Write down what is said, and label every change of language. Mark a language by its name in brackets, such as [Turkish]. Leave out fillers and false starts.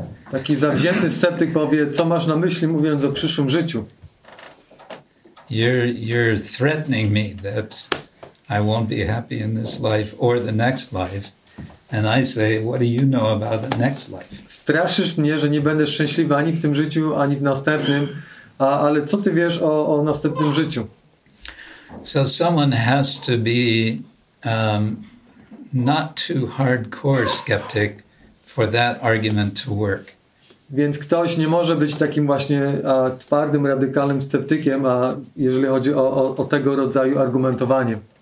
[Polish] Taki zawzięty sceptyk powie, co masz na myśli, mówiąc o przyszłym życiu? [English] You're threatening me that I won't be happy in this life or the next life. And I say, what do you know about the next life? [Polish] Straszysz mnie, że nie będę szczęśliwy ani w tym życiu, ani w następnym, ale co ty wiesz o następnym życiu? [English] So someone has to be not too hardcore skeptic for that argument to work. [Polish] Więc ktoś nie może być takim właśnie twardym, radykalnym sceptykiem, jeżeli chodzi o tego rodzaju argumentowanie.